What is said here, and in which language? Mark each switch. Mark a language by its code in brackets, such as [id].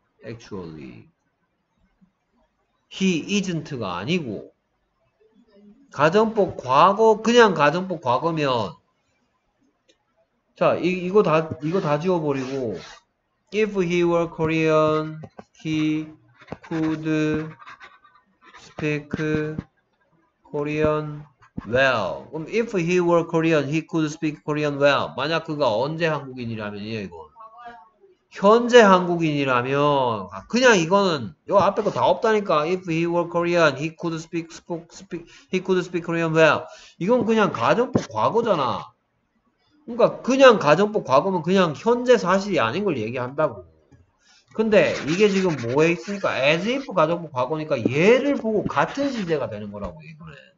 [en] Actually he isn't [ko] 가 아니고 가정법 과거, 그냥 가정법 과거면 자 이거 다 지워버리고 [en] if he were Korean he could speak Korean well. [ko] 그럼 [en] if he were Korean, he could speak Korean well. [ko] 만약 그가 언제 한국인이라면이에요, 이건. 현재 한국인이라면, 그냥 이거는 요 앞에 거다 없다니까. [en] If he were Korean, he could he could speak Korean well. [ko] 이건 그냥 가정법 과거잖아. 그러니까 그냥 가정법 과거면 그냥 현재 사실이 아닌 걸 얘기한다고. 근데 이게 지금 뭐에 있으니까 as if 가정법 과거니까 얘를 보고 같은 시제가 되는 거라고 이거는.